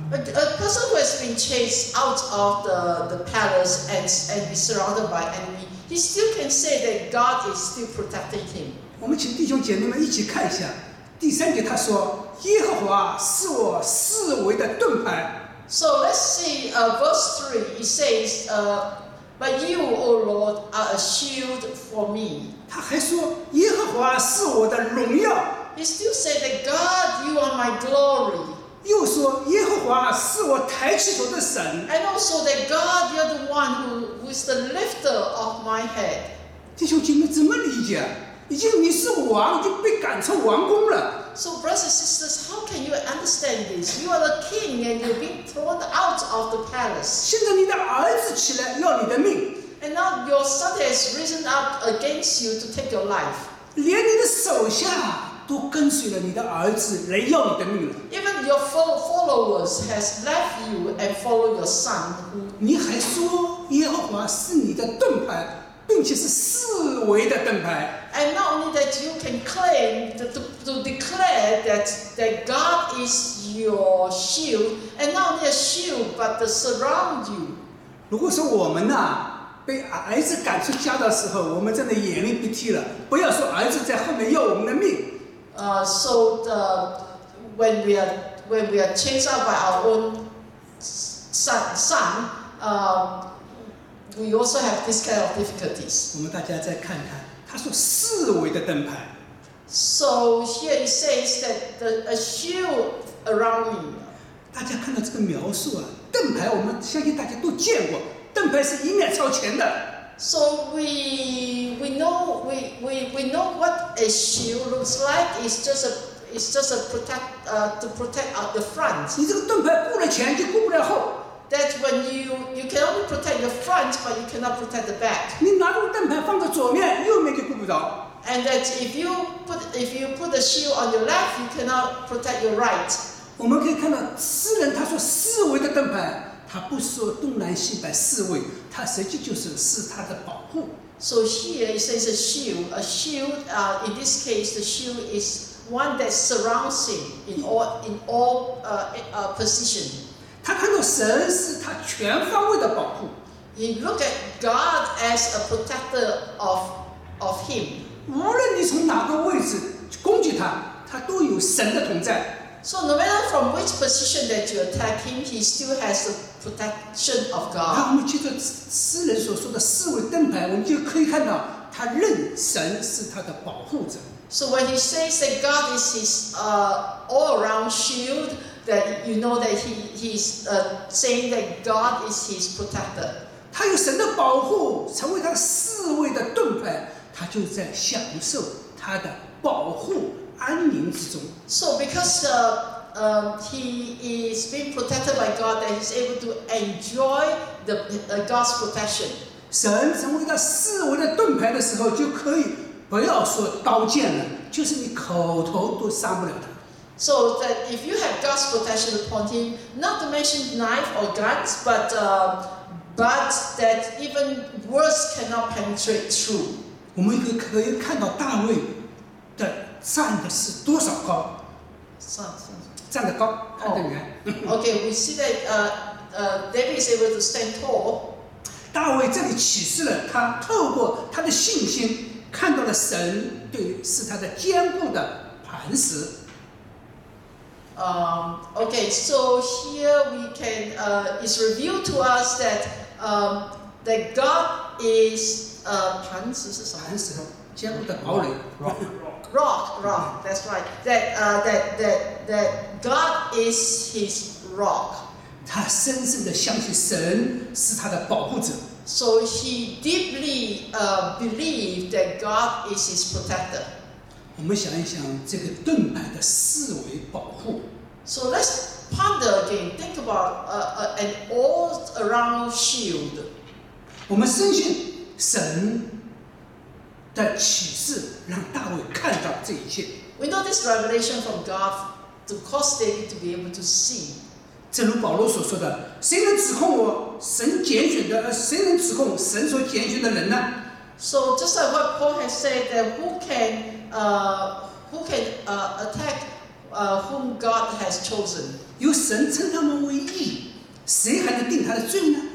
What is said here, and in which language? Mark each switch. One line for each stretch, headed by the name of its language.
English: A person who has been chased out of the palace and be surrounded by enemy, he still can say that God is still protecting him.
Chinese: 我们请弟兄姐妹们一起看一下第三节，他说：“耶和华是我四围的盾牌。”
English: So let's see, verse 3, it says, But you, O Lord, are a shield for me.
Chinese: 他还说耶和华是我的荣耀。
English: He still said that God, you are my glory.
Chinese: 又说耶和华是我抬起头的神。
English: And also that God, you're the one who is the lifter of my head.
Chinese: 弟兄姐妹怎么理解？已经你是王，就被赶出王宫了。
English: So brothers and sisters, how can you understand this? You are the king and you've been thrown out of the palace.
Chinese: 现在你的儿子起来要你的命。
English: And now your son has risen up against you to take your life.
Chinese: 连你的手下都跟随了你的儿子来要你的命了。
English: Even your followers has left you and followed your son.
Chinese: 你还说耶和华是你的盾牌。并且是四维的盾牌。
English: And not only that, you can claim to declare that God is your shield, and not only a shield, but to surround you.
Chinese: 如果说我们呢、啊、被儿子赶出家的时候，我们真的眼泪鼻涕了，不要说儿子在后面要我们的命。
English: So the when we are chased out by our own son, We also have this kind of difficulties.
Chinese: 我们大家再看看，他说四围的盾牌。
English: So here it says that a shield around me.
Chinese: 大家看到这个描述啊，盾牌我们相信大家都见过，盾牌是一面朝前的。
English: So we know what a shield looks like. It's just to protect out the front.
Chinese: 你这个盾牌顾了前就顾不了后。
English: That when you can only protect the front, but you cannot protect the back.
Chinese: 你拿住盾牌放在左面，右面就顾不着。
English: And that if you put the shield on your left, you cannot protect your right.
Chinese: 我们可以看到诗人他说四围的盾牌，他不说东南西北四围，他实际就是是他的保护。
English: So here it says a shield. In this case, the shield is one that surrounds him in all position.
Chinese: 他看到神是他全方位的保护。
English: He look at God as a protector of him.
Chinese: 无论你从哪个位置攻击他，他都有神的同在。
English: So no matter from which position that you attack him, he still has the protection of God.
Chinese: 那我们接着诗人所说的四围盾牌，我们就可以看到他认神是他的保护者。
English: So when he says that God is his all around shield. That you know that he's saying that God is his protector.
Chinese: 他有神的保护，成为他四围的盾牌，他就在享受他的保护安宁之中。
English: So because he is being protected by God, that he's able to enjoy God's protection.
Chinese: 神成为他四围的盾牌的时候，就可以不要说刀剑了，就是你口头都伤不了他。
English: So that if you have God's protection upon him, not to mention knife or guns, but that even words cannot penetrate through.
Chinese: 我们可以看到大卫的站的是多少高？站的高，看得远。
English: Okay, we see that David is able to stand tall.
Chinese: 大卫这里启示了他透过他的信心看到了神对是他的坚固的磐石。
English: Okay, so here we can, it's revealed to us that, that God is,
Chinese: 磐石是什么？磐石，坚固的堡垒
English: Rock, that's right. That God is his rock.
Chinese: 他深深地相信神是他的保护者。
English: So he deeply, believed that God is his protector.
Chinese: 我们想一想这个盾牌的四维保护。
English: So let's ponder again. Think about an all-around shield.
Chinese: 我们深信神的启示让大卫看到这一切。
English: We know this revelation from God to cause David to be able to see.
Chinese: 正如保罗所说的，谁能指控我神拣选的？谁能指控神所拣选的人呢？
English: So just like what Paul has said, that who can attack? Whom God has chosen.
Chinese: 有神称他们为义，谁还能定他的罪呢？